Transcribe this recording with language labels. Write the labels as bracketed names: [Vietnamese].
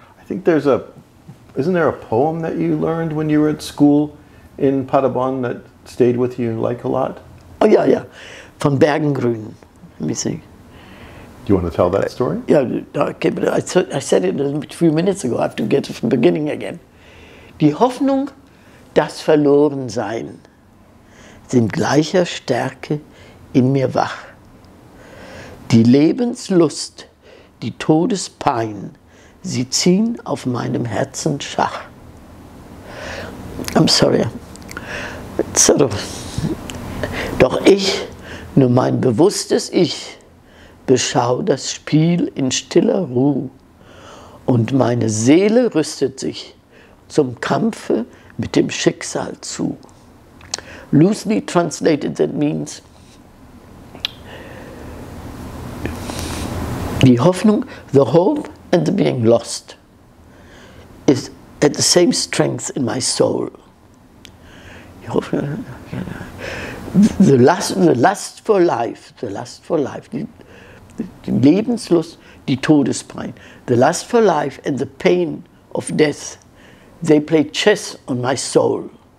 [English] I think isn't there a poem that you learned when you were at school in Paderborn that stayed with you like a lot? Oh, yeah, from Bergengrün, let me see. Do you want to tell that story? Yeah, okay, but I said it a few minutes ago. I have to get it from the beginning again. [German] Die Hoffnung, das Verlorensein, sind gleicher Stärke in mir wach. Die Lebenslust, die Todespein, sie ziehen auf meinem Herzen Schach. [English] I'm sorry. [German] Doch ich, nur mein bewusstes Ich, beschau das Spiel in stiller Ruhe und meine Seele rüstet sich zum Kampfe mit dem Schicksal zu. [English] Loosely translated, that means [German] die Hoffnung, [English] the hope and the being lost is at the same strength in my soul. The lust for life, [German] die Lebenslust, die Todespein, [English] the lust for life and the pain of death, they play chess on my soul.